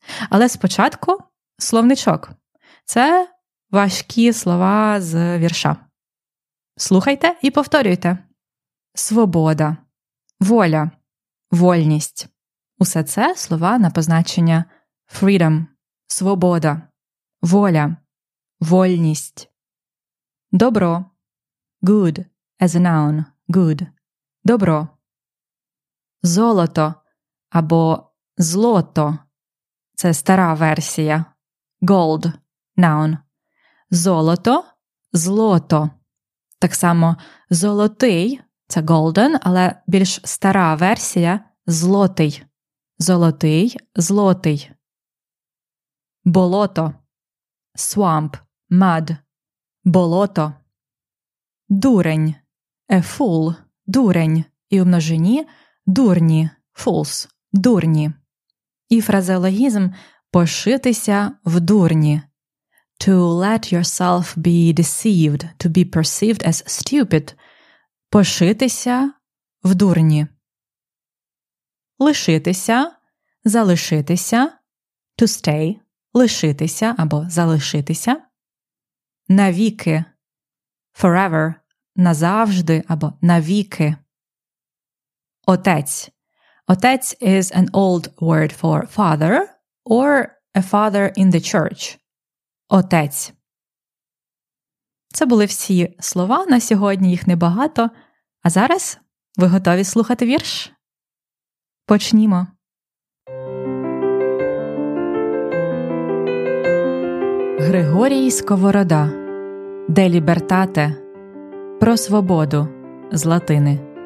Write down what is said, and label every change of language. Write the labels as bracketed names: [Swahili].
[Ukrainian] Але спочатку словничок. Це важкі слова з вірша. Слухайте і повторюйте. Свобода, воля, вольність. Усе це слова на позначення freedom, свобода, воля, вольність. [English] Добро, good, as a noun, good, добро. [Ukrainian] Золото або злото, це стара версія, [English] gold, noun, [Ukrainian] золото, злото. Так само золотий – це golden, але більш стара версія – злотий. Золотий, злотий. [English] Болото – swamp, mud. [Ukrainian] Болото. Дурень – [English] a fool, [Ukrainian] дурень. І у множині – дурні, fools, дурні. І фразеологізм – пошитися в дурні. [English] To let yourself be deceived, to be perceived as stupid. [Ukrainian] Пошитися в дурні. Лишитися, залишитися, [English] to stay, [Ukrainian] лишитися або залишитися. Навіки, forever, назавжди або навіки. Отець. [English] Отець is an old word for father or a father in the church. [Ukrainian] Отець. Це були всі слова на сьогодні, їх небагато. А зараз ви готові слухати вірш? Почнімо. Григорій Сковорода. De libertate. Про свободу. З латини.